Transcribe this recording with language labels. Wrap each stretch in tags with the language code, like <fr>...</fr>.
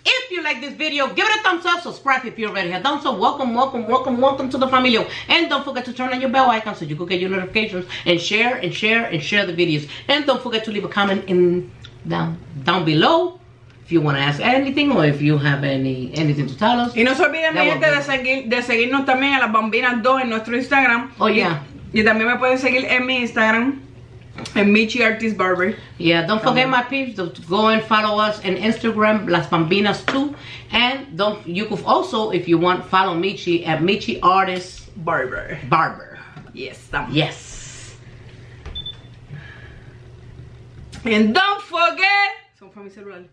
<en>If you like this video, give it a thumbs up. Subscribe if you're already here. Don't so welcome to the familia. And don't forget to turn on your bell icon so you can get your notifications. And share the videos. And don't forget to leave a comment in down below. If you want to ask anything or if you have anything to tell us.</en> <es>Y no se olviden, mi gente, de seguirnos también a las Bambinas 2 en nuestro Instagram. Oh, Y también me pueden seguir en mi Instagram, en Michi Artist Barber.</es> <en>Yeah, don't forget, my peeps, to go and follow us on Instagram, Las Bambinas 2. And you could also, if you want, follow Michi at Michi Artist Barber. Yes. And don't forget.</en> <es>Fue mi celular.</es>